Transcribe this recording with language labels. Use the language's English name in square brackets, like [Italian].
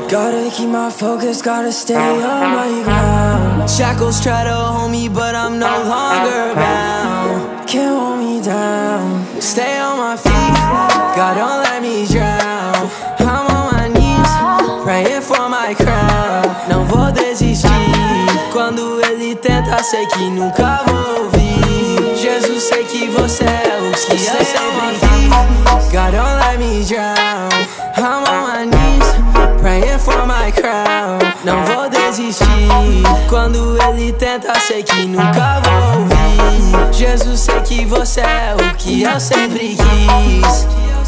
[English] Gotta keep my focus, gotta stay on my ground. Shackles try to hold me, but I'm no longer bound. Can't hold me down, stay on my feet. God, don't let me drown. I'm on my knees, praying for my crown. [Portuguese] Não vou desistir. Quando ele tenta, sei que nunca vou ouvir. Jesus, sei que você é o que eu sempre quis. [English] God, don't let me drown. I'm on my knees, praying for my crown. [Portuguese] Não vou desistir. Quando ele tenta, sei que nunca vou ouvir. Jesus, sei que você é o que eu sempre quis.